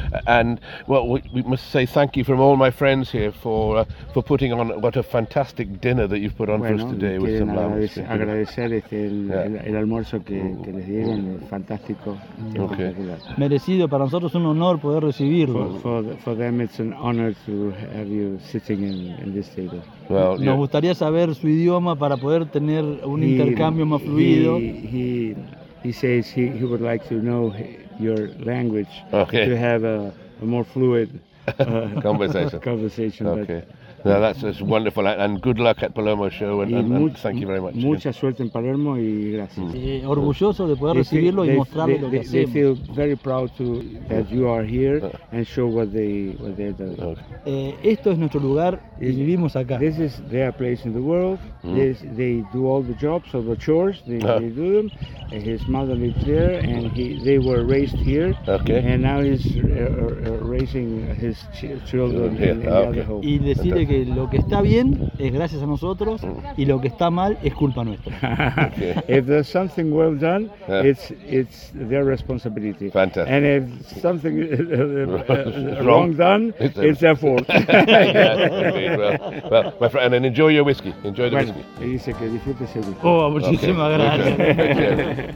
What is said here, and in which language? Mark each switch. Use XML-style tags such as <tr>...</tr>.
<en>And, well, we must say thank you from all my friends here for putting on what a fantastic dinner that you've put on for us today with some lambs.</en> <es>Agradecer el almuerzo que les dieron, fantástico.</es> <en>Okay.</en> <es>Merecido, para nosotros un honor poder recibirlo.</es> <en>For them, it's an honor to have you sitting in this table. Well,</en> <es>nos gustaría saber su idioma para poder tener un intercambio más fluido.</es> <en>He says he would like to know your language, okay, to have a more fluid conversation. Okay. Now that's wonderful, and good luck at Palermo show, and thank you very much.</en> <es>Mucha suerte en Palermo y gracias. Orgulloso de poder recibirlo y mostrarle lo que hacemos.</es> <en>They feel very proud that you are here and show what they do. Okay.</en> <es>Esto es nuestro lugar y vivimos acá.</es> <en>This is their place in the world. They do all the jobs, all the chores. They do them. His mother lives there, and they were raised here. Okay. And now he's raising his children in the other home.</en> <es>Que lo que está bien es gracias a nosotros y lo que está mal es culpa nuestra.</es> <en>If there's something well done, it's their responsibility. Fantastic. And if something wrong done, it's their fault. Yeah, well, my friend, and enjoy your whisky. Enjoy the whiskey.</en> <es>Dice que disfrute ese whisky. Oh, muchísimas gracias.</es>